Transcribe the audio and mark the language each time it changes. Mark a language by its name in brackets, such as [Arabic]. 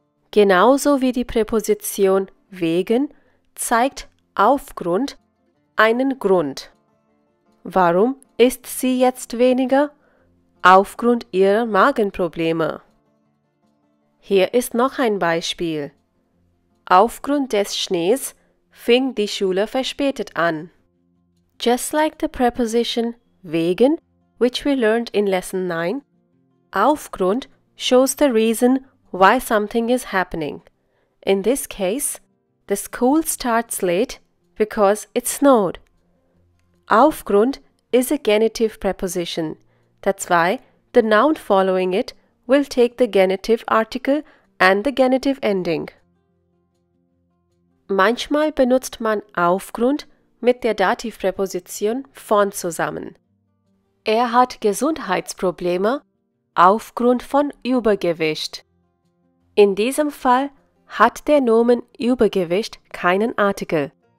[German] Genauso wie die Präposition wegen zeigt aufgrund einen Grund. Warum isst sie jetzt weniger? Aufgrund ihrer Magenprobleme. Hier ist noch ein Beispiel. Aufgrund des Schnees fing die Schule verspätet an. [English] Just like the preposition wegen, which we learned in Lesson 9, aufgrund shows the reason why something is happening. In this case, the school starts late because it snowed. Aufgrund is a genitive preposition. That's why the noun following it will take the genitive article and the genitive ending. [German] Manchmal benutzt man aufgrund mit der Dativpräposition von zusammen. Er hat Gesundheitsprobleme aufgrund von Übergewicht. In diesem Fall hat der Nomen Übergewicht keinen Artikel.